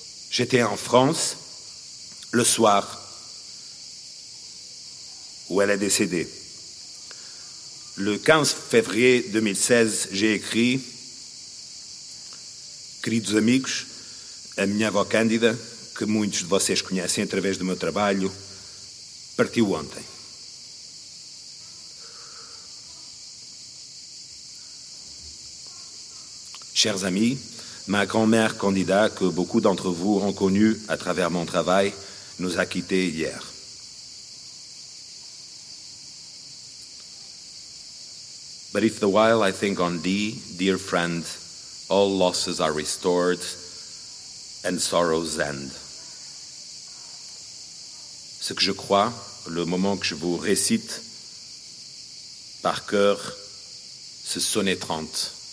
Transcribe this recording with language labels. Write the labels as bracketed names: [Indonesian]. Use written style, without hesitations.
[French] J'étais en France le soir où elle est décédée. Le 15 février 2016, j'ai écrit [Portuguese] « Queridos amigos, a minha avó Cândida, que muitos de vocês conhecem através do meu trabalho, partiu ontem. [French] Chers amis, ma grand-mère Cândida, que beaucoup d'entre vous ont connue à travers mon travail, nous a quittés hier. [English] But if the while I think on thee, dear friend, all losses are restored and sorrows end. [French] Ce que je crois, le moment que je vous récite par cœur, ce sonnet 30.